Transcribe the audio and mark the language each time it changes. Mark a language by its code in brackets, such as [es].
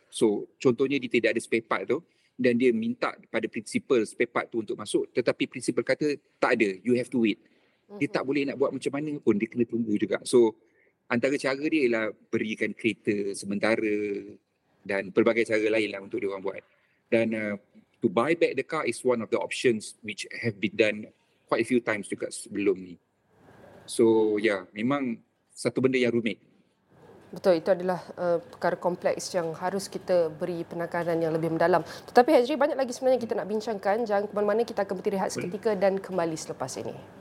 [ms] So contohnya dia tidak ada spare part tu, dan dia minta pada principal spare part tu untuk masuk, tetapi principal kata tak ada, [en] you have to wait. [ms] Dia tak boleh nak buat macam mana pun, dia kena tunggu juga. So antara cara dia ialah berikan kereta sementara dan pelbagai cara lain lah untuk dia orang buat. [en] Dan to buy back the car is one of the options which have been done quite a few times [ms] juga sebelum ni. So yeah, memang satu benda yang rumit. Betul, itu adalah perkara kompleks yang harus kita beri penekanan yang lebih mendalam. Tetapi Hezri, banyak lagi sebenarnya kita nak bincangkan. Jangan ke mana-mana, kita akan berhenti rehat seketika dan kembali selepas ini.